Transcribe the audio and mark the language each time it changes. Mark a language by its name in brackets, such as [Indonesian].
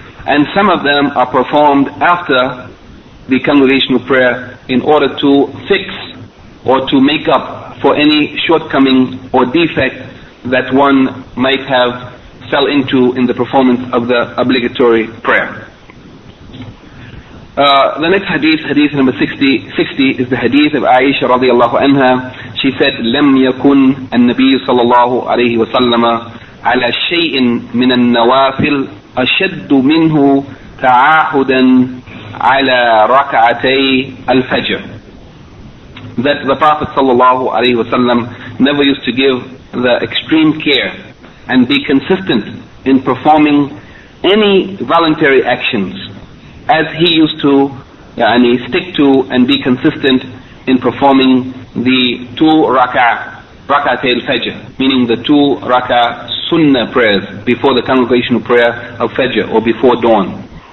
[English] And some of them are performed after the congregational prayer in order to fix or to make up for any shortcoming or defect that one might have fell into in the performance of the obligatory prayer. The next hadith, hadith number 60, is the hadith of Aisha radiallahu anha. She said, [Arabic] لم يكن النبي صلى الله عليه وسلم على شيء من النوافل أشد منه تعاهدا على ركعتي الفجر. [English] that the Prophet sallallahu alaihi wasallam never used to give the extreme care and be consistent in performing any voluntary actions as he used to stick to and be consistent in performing the two rakat al-fajr, meaning the two rakat sunnah prayers before the congregational prayer of fajr or before dawn.